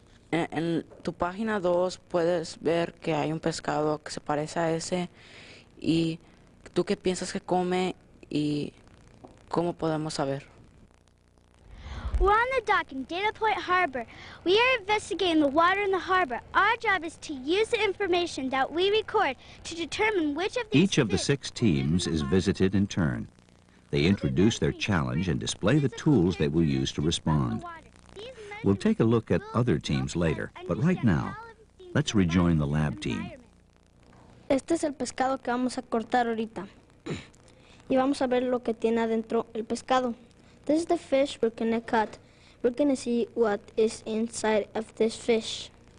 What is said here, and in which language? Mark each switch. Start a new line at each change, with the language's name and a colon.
Spanish: En tu página 2 puedes ver que hay un pescado que se parece a ese. ¿Y tú qué piensas que come y cómo podemos saber?
English: We're on the dock in Dana Point Harbor. We are investigating the water in the harbor. Our job is to use the information that we record to determine which of these. Each of the six teams is visited in turn. They introduce their challenge and display the tools they will use to respond. We'll take a look at other teams later, but right now, let's rejoin the lab team.
Spanish: Este es el pescado que vamos a cortar ahorita. Y vamos a ver lo que tiene adentro el pescado.
English: This is the fish we're gonna cut. We're gonna see what is inside of this fish.